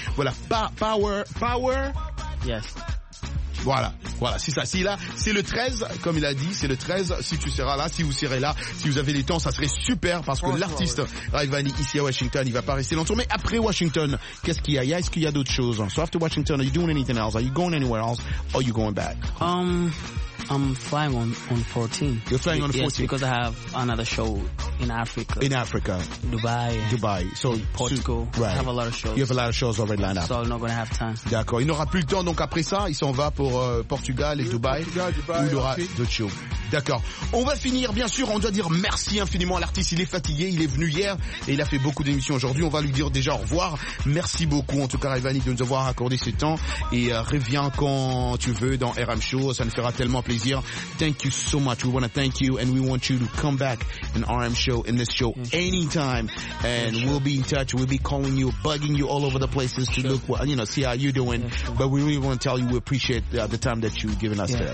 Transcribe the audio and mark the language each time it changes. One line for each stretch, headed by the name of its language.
French: Voilà, Power.
English: Yes.
French: Voilà, c'est ça. C'est le 13, comme il a dit, c'est le 13. Si tu seras là, si vous serez là, si vous avez du temps, ça serait super parce que l'artiste Rayvanny ici à Washington, il va pas rester longtemps. Mais après Washington, qu'est-ce qu'il y a? Est-ce qu'il y a d'autres choses?
English: So after Washington, are you doing anything else? Are you going anywhere else? Or are you going back? I'm flying on 14. You're flying on 14? Yes, because I have another show in Africa. In Africa. Dubai. Dubai. So, Portugal. Right. I have a lot of shows. You have a lot of shows already lined up. So I'm not going to have time.
French: D'accord. Il n'aura plus le temps, donc après ça, il s'en va pour Portugal et Dubaï. Portugal, Dubaï. Où il aura d'autres shows. D'accord. On va finir, bien sûr, on doit dire merci infiniment à l'artiste. Il est fatigué, il est venu hier et il a fait beaucoup d'émissions aujourd'hui. On va lui dire déjà au revoir. Merci beaucoup, en tout cas, Rayvanny, de nous avoir accordé ce temps. Et reviens quand tu veux dans RM Show. Ça nous fera tellement plaisir.
English: Thank you so much. We want to thank you and we want you to come back in RM Show, in this show, anytime. And we'll be in touch. We'll be calling you, bugging you all over the places to look, you know, see how you're doing. But we really want to tell you we appreciate the time that you've given us today.